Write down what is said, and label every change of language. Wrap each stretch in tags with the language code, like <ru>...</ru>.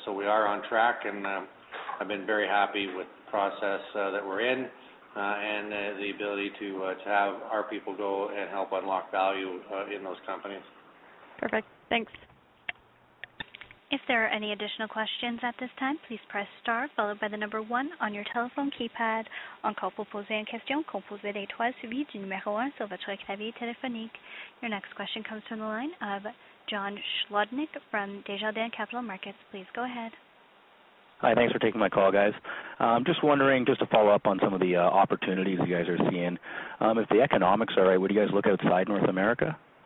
<en>So we are on track, and I've been very happy with the process that we're in and the ability to have our people go and help unlock value in those companies. Perfect. Thanks. If there are any additional questions at this time, please press star followed by the number 1 on your telephone keypad.</en> <fr>Encore pour poser une question, composez l'étoile suivie du numéro 1 sur votre clavier téléphonique.</fr> <en>Your next question comes from the line of John Schlodnick from Desjardins Capital Markets. Please go ahead. Hi, thanks for taking my call, guys. I'm just wondering, just to follow up on some of the opportunities you guys are seeing, if the economics are right, would you guys look outside North America?</en>